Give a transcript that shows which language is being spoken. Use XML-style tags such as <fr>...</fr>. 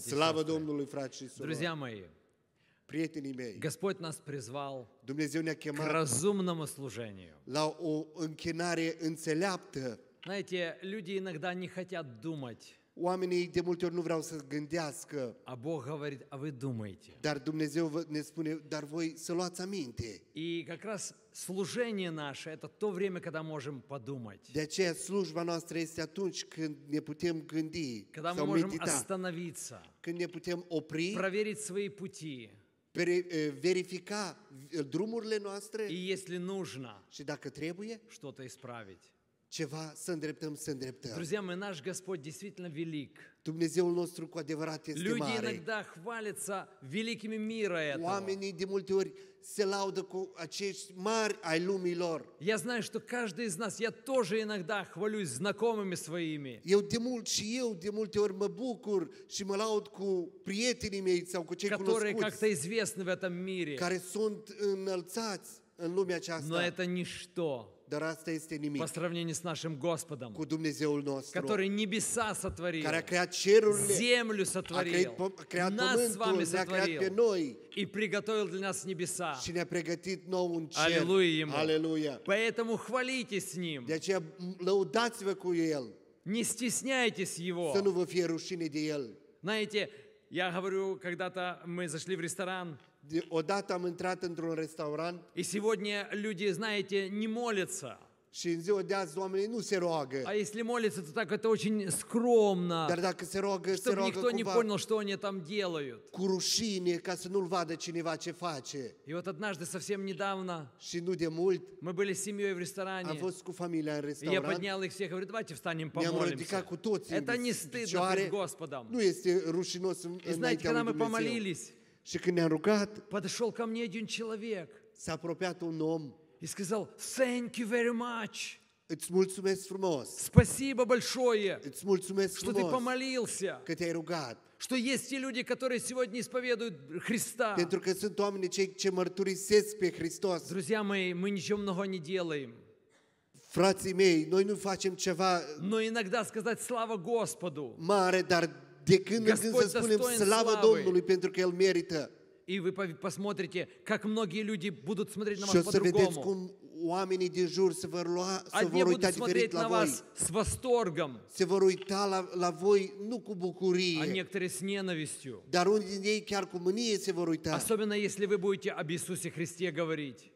<ro>Слава Domnului, frați și surori!</ro> <ru>Друзі мої!</ru> <ro>Prietenii mei!</ro> <ru>Господь нас призвал.</ru> <ro>Dumnezeu ne-a chemat</ro> <ru>к разумному служению.</ru> <ro>La o închinare înțeleaptă.</ro> <ru>Знаете, люди иногда не хотят думать.</ru> <ro>Oamenii de multe ori nu vreau să gândească.</ro> <ru>A Bog говорит, а вы думаете.</ru> <ro>Dar Dumnezeu ne spune, dar voi să luați aminte.</ro> <ru>И как раз служение наше это то время, когда можем подумать.</ru> <ro>De aceea slujba noastră este atunci când ne putem gândi.</ro> <ru>Когда мы можем остановиться.</ru> <ro>Când ne putem opri.</ro> <ru>Проверить свои пути.</ru> <ro>Verifica drumurile noastre.</ro> <ru>И если нужно.</ru> <ro>Și dacă trebuie.</ro> <ru>Что-то исправить.</ru> <ro>Ceva să îndreptăm, să îndreptăm.</ro> <ru>Друзья мои, наш Господь действительно велик.</ru> <ro>Dumnezeul nostru cu adevărat este</ro> <ru>Люди</ru> <ro>mare.</ro> <ru>Люди иногда хвалятся великими мира этого.</ru> <ro>Oamenii de multe ori se laudă cu acești mari ai lumii lor.</ro> <ru>Я знаю, что каждый из нас, я тоже иногда хвалюсь знакомыми своими.</ru> <ro>Eu de mult și eu de multe ori mă bucur și mă laud cu prietenii mei sau cu cei cunoscuți.</ro> <ru>Которые как-то известны в этом мире.</ru> <ro>Care sunt înălțați în lumea aceasta.</ro> <ru>Но это ничто.</ru> <ro>Dar asta este nimic.</ro> <ru>По сравнению с нашим Господом.</ru> <ro>Cu Dumnezeul nostru.</ro> <ru>Который небеса сотворил.</ru> <ro>Care a creat cerurile.</ro> <ru>Землю сотворил.</ru> <ro>A creat пământul.</ro> <ru>Нас с вами сотворил.</ru> <ro>A creat pe noi.</ro> <ru>И приготовил для нас небеса.</ru> <ro>Și ne-a pregătit nou un cer.</ro> <ru>Аллилуйя ему. Аллилуйя. Поэтому хвалитесь с ним.</ru> <ro>De aceea lăudați-vă cu el.</ro> <ru>Не стесняйтесь его.</ru> <ro>Să nu vă fie rușine de el.</ro> <ru>Знаете, я говорю, когда-то мы зашли в ресторан.</ru> <ro>Odată am intrat într-un restaurant.</ro> <ru>И сегодня люди, знаете, не молятся.</ru> <ro>Și în ziua de azi oamenii nu se roagă.</ro> <ru>А если молятся, то так это очень скромно.</ru> <ro>Dar dacă se roagă,</ro> <ru>чтобы</ru> <ro>se roagă</ro> <ru>никто</ru> <ro>cumva,</ro> <ru>не понял, что они там делают.</ru> <ro>Cu rușine, ca să nu-l vadă cineva ce face.</ro> <ru>И вот однажды совсем недавно.</ru> <ro>Și nu de mult.</ro> <ru>Мы были с семьей в ресторане.</ru> <ro>Am fost cu familia în restaurant.</ro> <ru>И я поднял их всех, говорю, давайте встанем, помолимся.</ru> <ro>Ne-am ridicat cu toții.</ro> <ru>Это не стыдно перед Господом.</ru> <ro>Nu este rușinos înaintea Lui Dumnezeu.</ro> <ru>И знаете, когда мы помолились.</ru> <ro>Și când ne-am rugat,</ro> <ru>подошел ко мне один человек.</ru> <ro>S-a apropiat un om.</ro> <ru>И сказал:</ru> <en>"Thank you very much."</en> <ro>Îți mulțumesc frumos.</ro> <ru>Спасибо большое.</ru> <ro>Îți mulțumesc</ro> <ru>frumos. Что ты помолился?</ru> <ro>Că te-ai rugat.</ro> <ru>Что есть те люди, которые сегодня исповедуют Христа.</ru> <ro>Pentru că sunt oameni ce mărturisesc pe Hristos.</ro> <ru>Друзья мои, мы ничего много не делаем.</ru> <ro>Frații mei, noi nu facem ceva.</ro> <ru>Но иногда сказать слава Господу.</ru> <ro>Mare, dar de când în când să spunem slavă Domnului pentru că El merită.</ro> <ru>И вы посмотрите, как многие люди будут смотреть на вас по-другому.</ru> <ro>Și să vedeți cum oamenii din jur se vor lua, se vor uita diferit la voi.</ro> <ru>С восторгом.</ru> <ro>Se vor uita la voi nu cu bucurie.</ro> <ru>А некоторые с ненавистью.</ru> <ro>Dar unii din ei chiar cu mânie se vor uita.</ro> <ru>Особенно если вы будете об Иисусе Христе говорить.</ru>